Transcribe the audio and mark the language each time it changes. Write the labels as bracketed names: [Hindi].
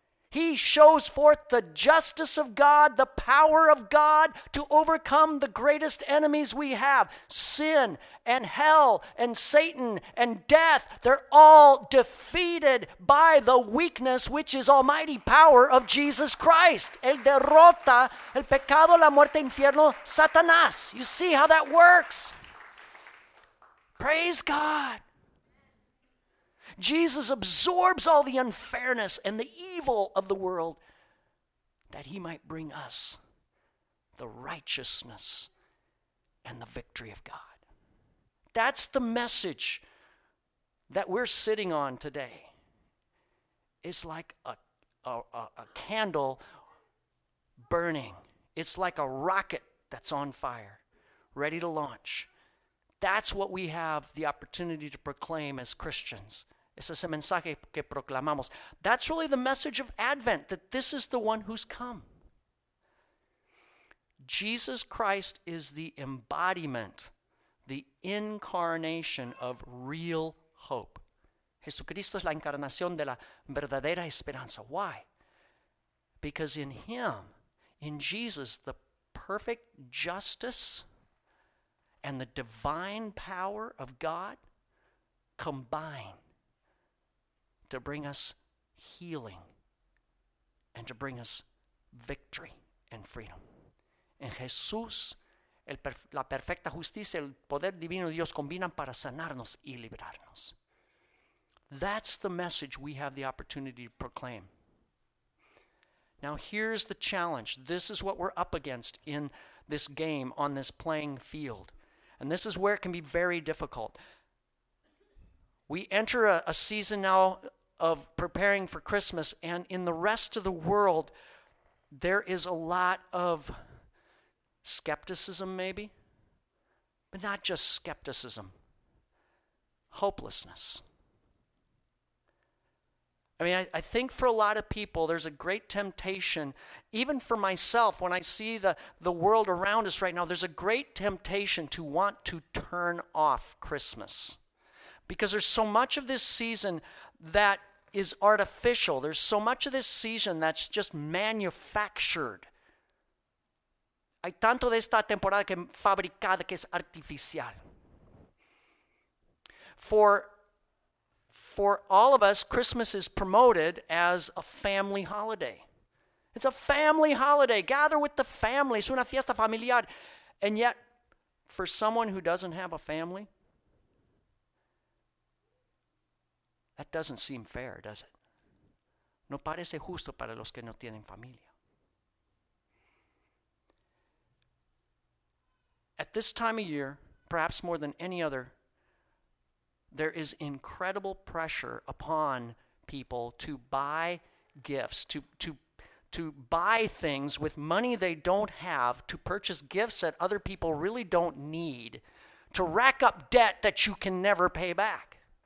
[English] He shows forth the justice of God, the power of God to overcome the greatest enemies we have. Sin and hell and Satan and death, they're all defeated by the weakness, which is almighty power of Jesus Christ. [Spanish] Él derrota el pecado, la muerte, infierno, Satanás. [English] You see how that works? Praise God. Jesus absorbs all the unfairness and the evil of the world that he might bring us the righteousness and the victory of God. That's the message that we're sitting on today. It's like a candle burning. It's like a rocket that's on fire, ready to launch. That's what we have the opportunity to proclaim as Christians. [Spanish] Es ese mensaje que proclamamos. [English] That's really the message of Advent, that this is the one who's come. Jesus Christ is the embodiment, the incarnation of real hope. [Spanish] Jesucristo es la encarnación de la verdadera esperanza. [English] Why? Because in him, in Jesus, the perfect justice and the divine power of God combine to bring us healing and to bring us victory and freedom. [Spanish] En Jesús, la perfecta justicia, el poder divino de Dios combinan para sanarnos y liberarnos. [English] That's the message we have the opportunity to proclaim. Now here's the challenge. This is what we're up against in this game, on this playing field. And this is where it can be very difficult. We enter a season now of preparing for Christmas, and in the rest of the world, there is a lot of skepticism, maybe, but not just skepticism, hopelessness. I mean, I think for a lot of people, there's a great temptation, even for myself, when I see the world around us right now, there's a great temptation to want to turn off Christmas. Because there's so much of this season that is artificial. There's so much of this season that's just manufactured. [Spanish] Hay tanto de esta temporada que fabricada que es artificial. [English] For all of us, Christmas is promoted as a family holiday. It's a family holiday. Gather with the family. [Spanish] Es una fiesta familiar. [English] And yet, for someone who doesn't have a family, that doesn't seem fair, does it? [Spanish] No parece justo para los que no tienen familia. [English] At this time of year, perhaps more than any other, there is incredible pressure upon people to buy gifts, to buy things with money they don't have, to purchase gifts that other people really don't need, to rack up debt that you can never pay back.